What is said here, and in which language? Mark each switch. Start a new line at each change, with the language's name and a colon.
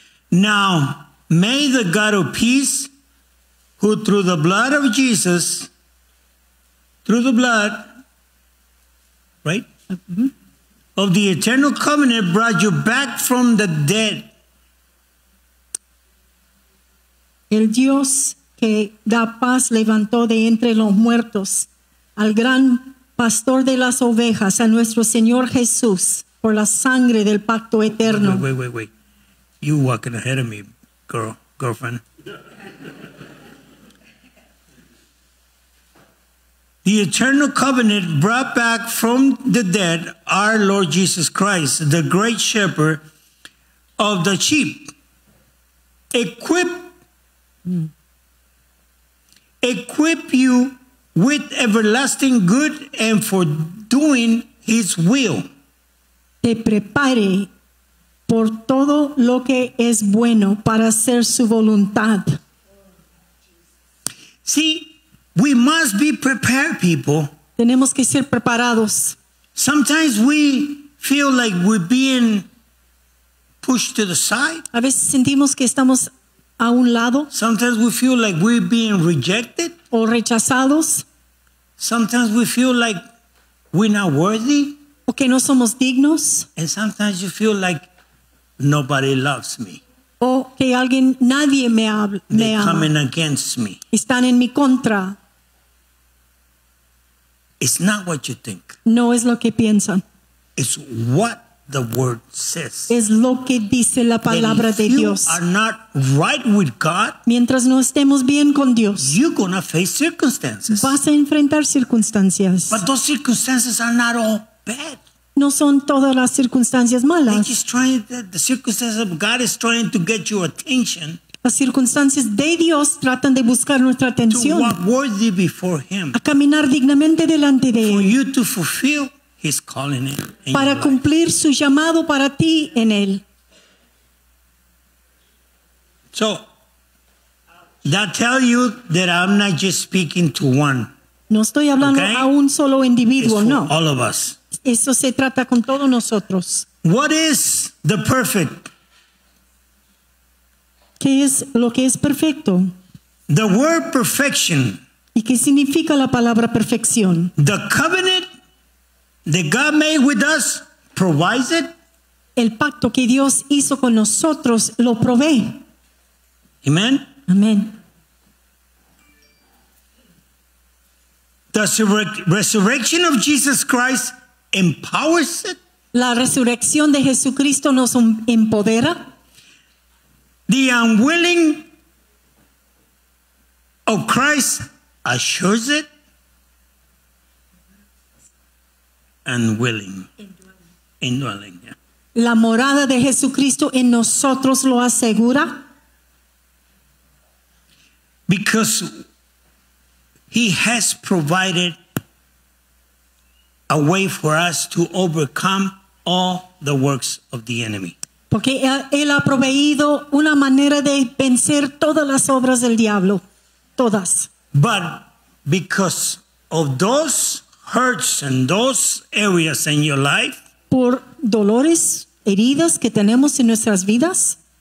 English: Now, may the God of peace, who through the blood of Jesus, through the blood, right? Of the eternal covenant, brought you back from the dead.
Spanish: El Dios que da paz levantó de entre los muertos al gran pastor de las ovejas, a nuestro Señor Jesús, por la sangre del pacto eterno.
English: Wait. You walking ahead of me, girlfriend. The eternal covenant brought back from the dead our Lord Jesus Christ, the great shepherd of the sheep, equip you with everlasting good and for doing his will.
Spanish: Te prepare por todo lo que es bueno para hacer su voluntad.
English: See, we must be prepared, people.
Spanish: Tenemos que ser preparados.
English: Sometimes we feel like we're being pushed to the side.
Spanish: A veces sentimos que estamos a un lado.
English: Sometimes we feel like we're being rejected.
Spanish: O rechazados.
English: Sometimes we feel like we're not worthy.
Spanish: O que no somos dignos.
English: And sometimes you feel like nobody loves me.
Spanish: O que alguien, nadie me habla.
English: They're coming against me.
Spanish: Están en mi contra.
English: It's not what you think.
Spanish: No es lo que piensan.
English: It's what the word says.
Spanish: Es lo que dice la palabra de Dios.
English: If you are not right with God,
Spanish: mientras no estemos bien con Dios,
English: you're gonna face circumstances.
Spanish: Vas a enfrentar circunstancias.
English: But those circumstances are not all bad.
Spanish: No son todas las circunstancias malas.
English: The circumstances of God is trying to get your attention.
Spanish: Las circunstancias de Dios tratan de buscar nuestra atención.
English: To walk worthy before him.
Spanish: A caminar dignamente delante de
English: for
Spanish: él.
English: For you to fulfill his calling in
Spanish: para
English: your
Spanish: cumplir
English: life.
Spanish: Su llamado para ti en él.
English: So that tells you that I'm not just speaking to one.
Spanish: No estoy hablando
English: okay?
Spanish: a un solo individuo,
English: it's
Spanish: no.
English: For all of us.
Spanish: Eso se trata con todos nosotros.
English: What is the perfect?
Spanish: ¿Qué es lo que es perfecto?
English: The word perfection.
Spanish: ¿Y qué significa la palabra perfección?
English: The covenant that God made with us provides it.
Spanish: El pacto que Dios hizo con nosotros lo provee.
English: Amen. Amen. Does the resurrection of Jesus Christ empowers it?
Spanish: La resurrección de Jesucristo nos empodera.
English: The unwilling of Christ assures it. Unwilling. Indwelling.
Spanish: La morada de Jesucristo en nosotros lo asegura.
English: Because he has provided a way for us to overcome all the works of the enemy.
Spanish: Porque él ha proveído una manera de vencer todas las obras del diablo. Todas.
English: But because of those hurts and those areas in your life,
Spanish: por dolores, heridas que tenemos en nuestras vidas,